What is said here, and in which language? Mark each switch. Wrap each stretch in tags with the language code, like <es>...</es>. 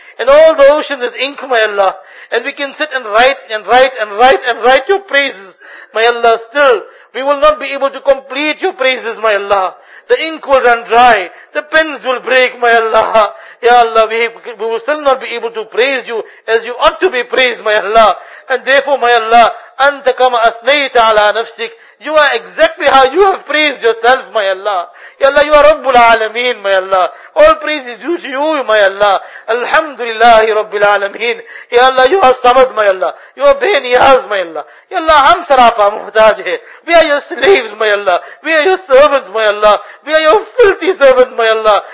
<en>And all the oceans as ink, my Allah. And we can sit and write and write and write and write your praises, my Allah. Still, we will not be able to complete your praises, my Allah. The ink will run dry. The pens will break, my Allah. Ya Allah, we will still not be able to praise you as you ought to be praised, my Allah. And therefore, my Allah,</en> <ar>أنت كما أثنيت على نفسك.</ar> <en>You are exactly how you have praised yourself, my Allah. Ya Allah, you are Rabbul Alameen, my Allah. All praise is due to you, my Allah. Alhamdulillah, Rabbil Alameen. Ya Allah, you are Samad, my Allah. You are Beniaz, my Allah. Ya Allah,</en> <ur>hum sarapa muhtaj hai.</ur> <en>We are your slaves, my Allah. We are your servants, my Allah. We are your filthy servants, my Allah.</en>